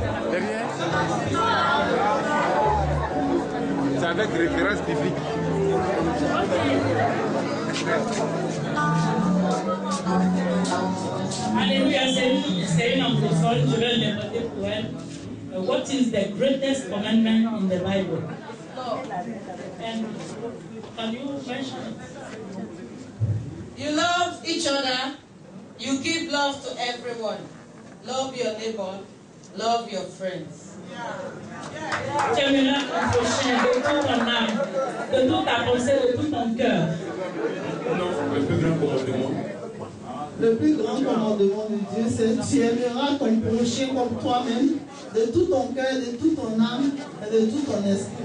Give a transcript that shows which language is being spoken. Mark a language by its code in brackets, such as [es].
[fr] Derrière. C'est avec référence biblique. Alléluia, c'est une entrée, je vais l'inventer pour elle. [en] What is the greatest commandment in the Bible? And can you mention it? You love each other, you give love to everyone. Love your neighbor, love your friends. [fr] Tu aimeras ton prochain de tout ton âme, de toute ta pensée, de tout ton cœur. Le plus grand commandement. Le plus grand commandement de Dieu, c'est tu aimeras ton prochain comme toi-même, de tout ton cœur, de toute ton âme et de tout ton esprit.